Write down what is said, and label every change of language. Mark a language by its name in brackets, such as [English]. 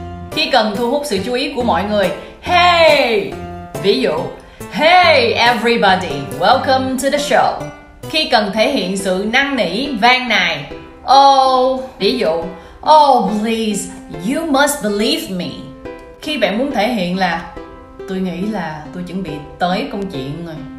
[Vietnamese] Khi cần thu hút sự chú ý của mọi người. Hey. Ví dụ [English] hey everybody, welcome to the show. [Vietnamese] Khi cần thể hiện sự năn nỉ, van nài. Ví dụ [English] oh please, you must believe me. [Vietnamese] Khi bạn muốn thể hiện là tôi nghĩ là tôi chuẩn bị tới công chuyện rồi.